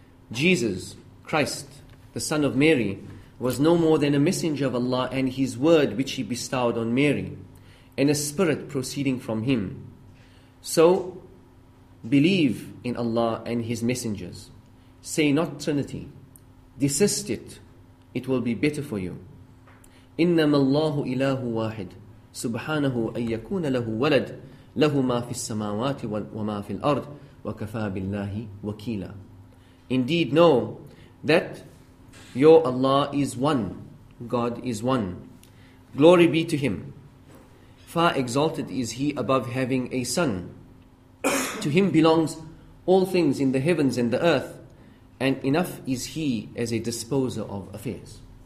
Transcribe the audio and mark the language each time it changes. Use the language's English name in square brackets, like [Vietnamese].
[English] Jesus, Christ, the Son of Mary, was no more than a messenger of Allah and His word which He bestowed on Mary, and a spirit proceeding from Him. So, believe in Allah and His messengers. Say not Trinity. Desist it. It will be better for you. [Arabic] إنما الله إله واحد سبحانه أن يكون له ولد له ما في السماوات وما في الأرض وكفى بالله وكيلا. [English] Indeed, know that your Allah is one. God is one. Glory be to Him. Far exalted is He above having a son. To Him belongs all things in the heavens and the earth, and enough is He as a disposer of affairs.